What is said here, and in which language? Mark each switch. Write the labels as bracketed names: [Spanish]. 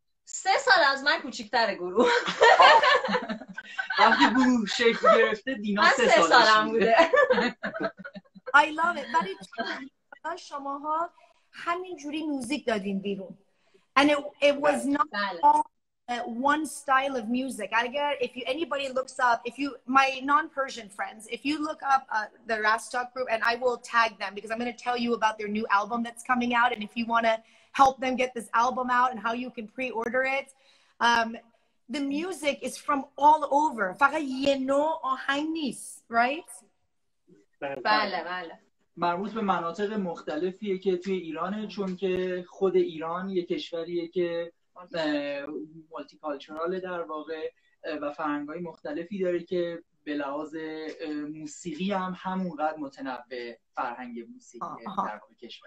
[Persian] سه سال از من کوچیکتره گروه. وقتی گروه شکل گرفته دینا سه سالم بوده. [English] I love it. [Persian] ولی شماها همین جوری موزیک دادین بیرون. [English] And it was not one style of music. If you anybody looks up, if you my non-Persian friends, if you look up the Rastak group, and I will tag them because I'm going to tell you about their new album that's coming out. And if you want to help them get this album out and how you can pre-order it, the music is from all over. [Persian] فقط یه نوع آهنگ نیست, [English] right? [Persian] بله بله. مربوط به مناطق مختلفیه که توی ایرانه چون که خود ایران یه کشوریه که مولتی کالچورال در واقع و فرهنگ‌های مختلفی داره که به لحاظ موسیقی هم همونقدر متنوع فرهنگ موسیقی در واقع کشور.